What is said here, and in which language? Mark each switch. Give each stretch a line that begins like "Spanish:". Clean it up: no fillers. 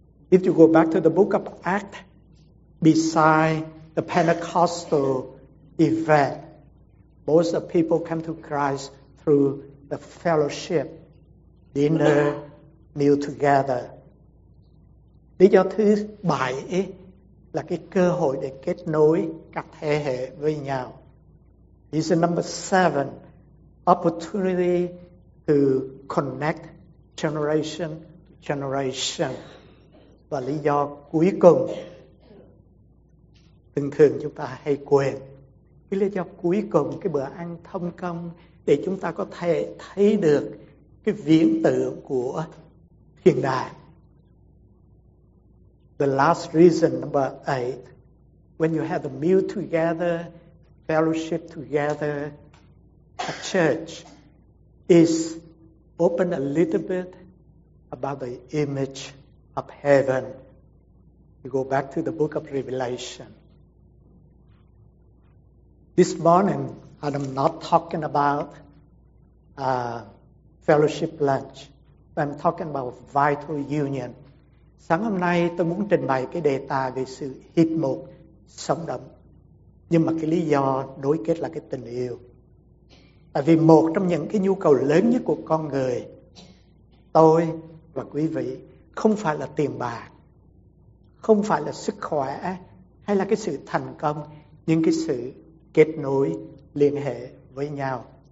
English: If you go back to the book of Acts, beside the Pentecostal event, most of people come to Christ through the fellowship, dinner, meal together.
Vietnamese: Lý do thứ bảy là cái cơ hội để kết nối các thế hệ với nhau.
English: This is number seven, opportunity to connect generation to generation.
Vietnamese: Và lý do cuối cùng, thường thường chúng ta hay quên, cái lý do cuối cùng, cái bữa ăn thông công để chúng ta có thể thấy được cái viễn tượng của thiên đàng.
English: The last reason, number eight, when you have a meal together, fellowship together, a church, is open a little bit about the image of heaven. You go back to the book of Revelation. This morning, and I'm not talking about fellowship lunch, but I'm talking about vital union.
Vietnamese: Sáng hôm nay tôi muốn trình bày cái đề tài về sự hiệp một sống động, nhưng mà cái lý do nối kết là cái tình yêu. Tại vì một trong những cái nhu cầu lớn nhất của con người, tôi và quý vị, không phải là tiền bạc, không phải là sức khỏe hay là cái sự thành công, nhưng cái sự kết nối, liên hệ với nhau.